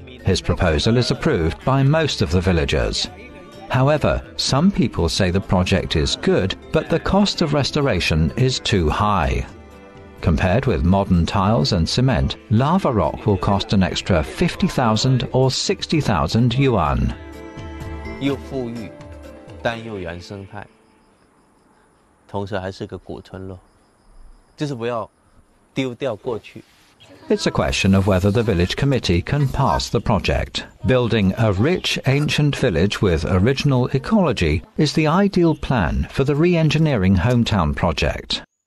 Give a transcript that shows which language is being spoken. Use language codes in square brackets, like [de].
[en] His proposal is approved by most of the villagers. However, some people say the project is good, but the cost of restoration is too high. Compared with modern tiles and cement, lava rock will cost an extra 50,000 or 60,000 yuan. [zh] 又富裕，但又原生态，同时还是个古村落，就是不要丢掉过去。 [en] It's a question of whether the village committee can pass the project. Building a rich ancient village with original ecology is the ideal plan for the re-engineering hometown project.